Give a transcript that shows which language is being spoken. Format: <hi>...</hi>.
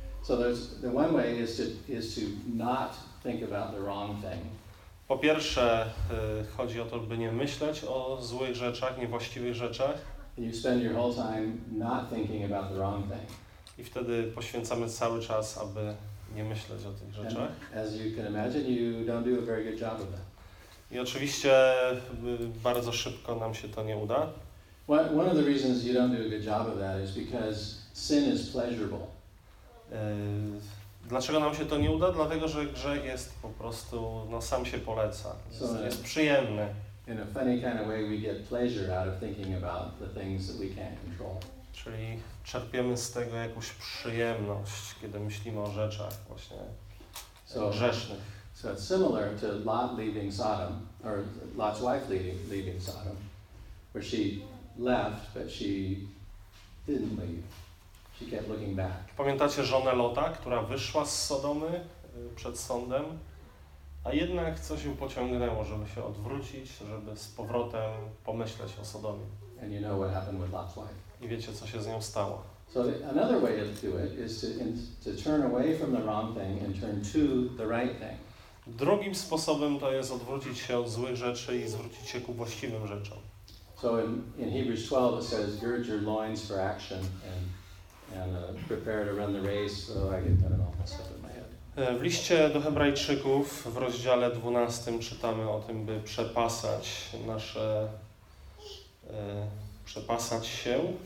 <en>So the one way is to not think about the wrong thing.</en> <pl>Po pierwsze, chodzi o to, by nie myśleć o złych rzeczach, niewłaściwych rzeczach.</pl> <en>You spend your whole time not thinking about the wrong thing.</en> <pl>I wtedy poświęcamy cały czas, aby nie myśleć o tych rzeczach.</pl> <en>As you can imagine, you don't do a very good job of that.</en> <pl>I oczywiście bardzo szybko nam się to nie uda.</pl> <en>One of the reasons you don't do a good job of that is because sin is pleasurable.</en> <pl>Dlaczego nam się to nie uda? Dlatego, że grzech jest po prostu, no sam się poleca, jest przyjemny.</pl> <en>In a funny kind of way we get pleasure out of thinking about the things that we can't control.</en> <pl>Czyli czerpiemy z tego jakąś przyjemność, kiedy myślimy o rzeczach właśnie grzesznych.</pl> <en>So it's similar to Lot leaving Sodom, or Lot's wife leaving Sodom, where she left, but she didn't leave. She kept looking back.</en> <pl>Pamiętacie żonę Lota, która wyszła z Sodomy przed sądem, a jednak coś ją pociągnęło, żeby się odwrócić, żeby z powrotem pomyśleć o Sodomie.</pl> <en>And you know what happened with Lot's wife.</en> <pl>I wiecie, co się z nią stało.</pl> <en>So another way to do it is to turn away from the wrong thing and turn to the right thing.</en> <pl>Drugim sposobem to jest odwrócić się od złych rzeczy i zwrócić się ku właściwym rzeczom.</pl> <en>So in Hebrews 12 it says, gird your loins for action and prepare to run the race. So I get that all messed up in my head.</en> <pl>W liście do Hebrajczyków w rozdziale 12 czytamy o tym, by przepasać nasze przepasać się.</pl>